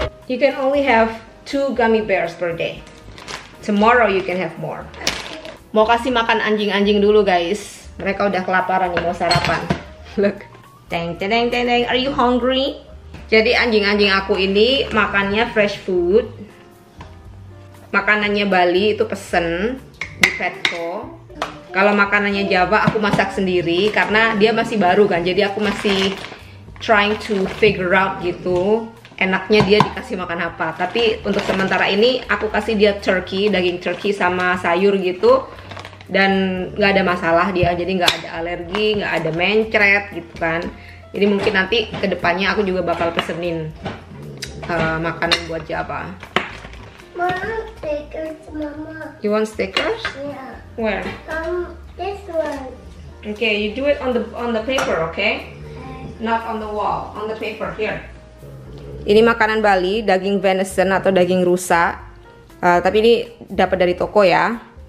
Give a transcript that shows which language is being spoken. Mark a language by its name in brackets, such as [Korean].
[English] You can only have 2 gummy bears per day. Tomorrow you can have more. [Indonesian] Mau kasih makan anjing-anjing dulu, guys. Mereka udah kelaparan nih, mau sarapan. [English] Look. Teng teng teng teng teng. Are you hungry? [Indonesian] Jadi anjing-anjing aku ini makannya [English] fresh food. [Indonesian] Makanannya Bali itu pesen di Petco. Kalau makanannya Java aku masak sendiri karena dia masih baru kan. Jadi aku masih [English] trying to figure out [Indonesian] gitu. Enaknya dia dikasih makan apa. Tapi untuk sementara ini aku kasih dia turkey, daging turkey sama sayur gitu. Dan gak ada masalah dia, jadi gak ada alergi, gak ada mencret gitu kan. Jadi mungkin nanti kedepannya aku juga bakal pesenin makanan buat Java. [English] Mama, stickers, mama. You want stickers? Yeah. Where? This one. Okay, you do it on the paper, okay? Not on the wall, on the paper, here. [Indonesian] Ini makanan Bali, daging venison atau daging rusa. Tapi ini dapat dari toko ya.